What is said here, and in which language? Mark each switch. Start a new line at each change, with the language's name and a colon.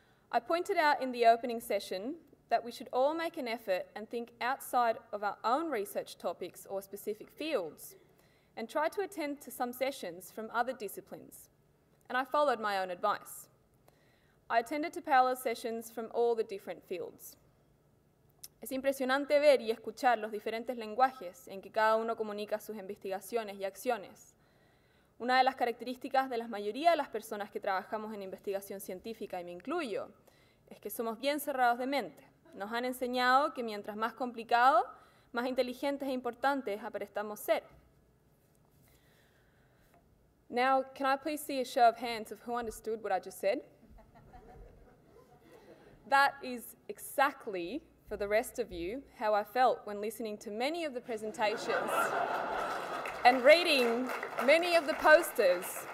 English: I pointed out in the opening session that we should all make an effort and think outside of our own research topics or specific fields, and try to attend to some sessions from other disciplines. And I followed my own advice. I attended to parallel sessions from all the different fields.
Spanish: Es impresionante ver y escuchar los diferentes lenguajes en que cada uno comunica sus investigaciones y acciones. Una de las características de la mayoría de las personas que trabajamos en investigación científica, y me incluyo, es que somos bien cerrados de mente. Nos han enseñado que mientras más complicado, más inteligentes e importantes aparentamos ser.
English: Now, can I please see a show of hands of who understood what I just said? That is exactly, for the rest of you, how I felt when listening to many of the presentations and reading many of the posters.